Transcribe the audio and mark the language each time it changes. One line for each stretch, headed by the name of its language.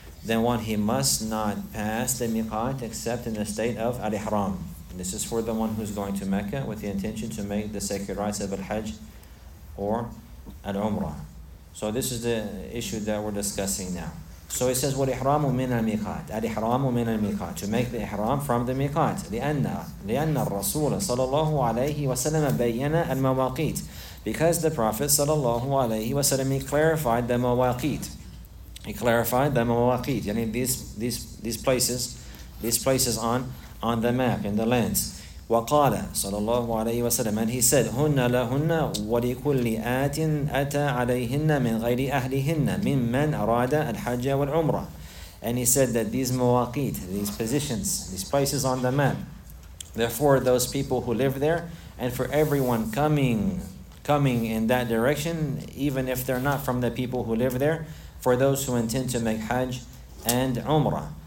English: then one, he must not pass the miqat except in the state of al-ihram. This is for the one who's going to Mecca with the intention to make the sacred rites of al-hajj or al-umrah. So this is the issue that we're discussing now. So it says, وَالْإِحْرَامُ مِنَ الْمِيقَاتِ الْإِحْرَامُ مِنَ الْمِيقَاتِ, to make the ihram from the miqat. لِأَنَّ الرَّسُولَ صَلَى اللَّهُ عَلَيْهِ وَسَلَمَ بَيَّنَ الْمَوَاقِيتِ, because the Prophet صلى الله عليه وسلم clarified the mawaqit. He clarified the mawaqit, yani these places on the map, in the lens.
Arabic: وَقَالَ صَلَى اللَّهُ عَلَيْهِ وَسَلَمَ, and he said, هُنَّ لَهُنَّ وَلِكُلِّ آتٍ أَتَى عَلَيْهِنَّ مِنْ غَيْرِ أَهْلِهِنَّ مِمَّنْ أَرَادَ الْحَجَّ وَالْعُمْرَةِ.
English: And he said that these mawaqit, these positions, these places on the map, therefore those people who live there, and for everyone coming in that direction, even if they're not from the people who live there, for those who intend to make Hajj and Umrah.